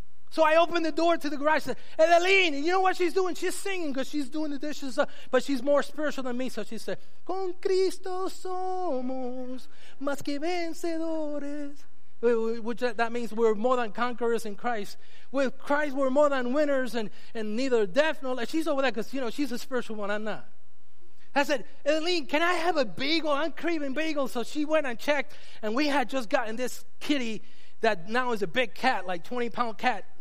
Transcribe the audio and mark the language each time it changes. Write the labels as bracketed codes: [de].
[en] So I opened the door to the garage. And Aline, you know what she's doing? She's singing because she's doing the dishes. But she's more spiritual than me. So she said, [es] "Con Cristo somos más que vencedores." [en] Which that means we're more than conquerors in Christ. With Christ, we're more than winners, and neither death nor life. She's over there because, you know, she's a spiritual one. I'm not. I said, "Aline, can I have a bagel? I'm craving bagels." So she went and checked, and we had just gotten this kitty that now is a big cat, like 20-pound cat.